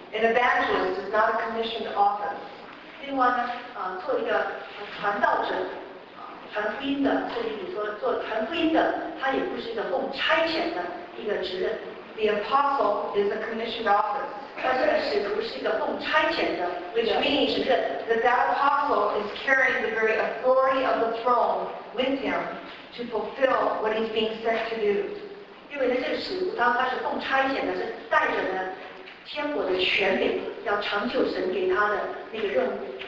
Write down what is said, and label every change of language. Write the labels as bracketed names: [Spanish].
[English] An evangelist is not a commissioned office. [Chinese] 另外呢，做一个传道者，传福音的，或者你说做传福音的，他也不是一个奉差遣的一个职任。 [English] The apostle is a commissioned office. [Chinese] 但这个使徒是一个奉差遣的 [English] ，which means that apostle is carrying the very authority of the throne with him to fulfill what he's being sent to do. [Chinese] 因为呢，这个使徒当他是奉差遣的，是带着呢天国的权柄，要成就神给他的那个任务。